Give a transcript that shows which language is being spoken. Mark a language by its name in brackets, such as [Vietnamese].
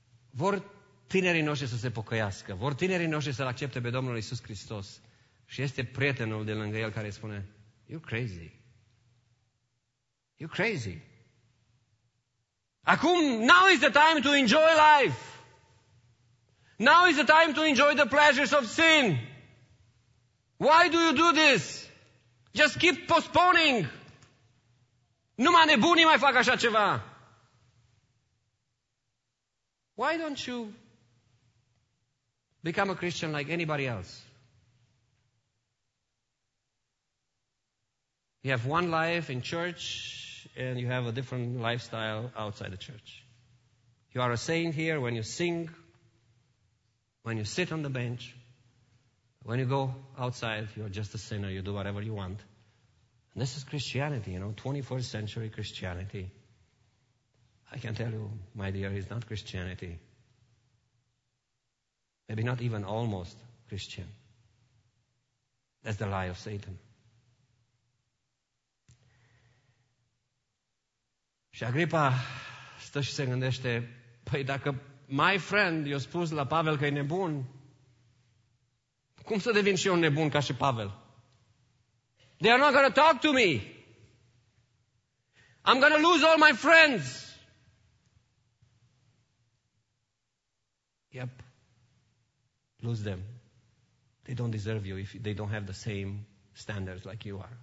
[Romanian] Vor tinerii noștri să se pocăiască, vor tinerii noștri să-L accepte pe Domnul Iisus Hristos și este prietenul de lângă el care spune, you're crazy! [English] You're crazy! Acum, now is the time to enjoy life! Now is the time to enjoy the pleasures of sin! Why do you do this? Just keep postponing! [Romanian] Numai nebunii mai fac așa ceva! [English] Why don't you become a Christian like anybody else? You have one life in church and you have a different lifestyle outside the church. You are a saint here when you sing, when you sit on the bench, when you go outside, you're just a sinner, you do whatever you want. And this is Christianity, you know, 21st century Christianity. I can tell you, my dear, it's not Christianity. Maybe not even almost Christian. That's the lie of Satan. [Romanian] Și Agripa stă și se gândește, păi dacă my friend i-a spus la Pavel că e nebun, cum să devin și eu nebun ca și Pavel? [English] They are not going to talk to me. I'm going to lose all my friends. Yep. Lose them. They don't deserve you if they don't have the same standards like you are.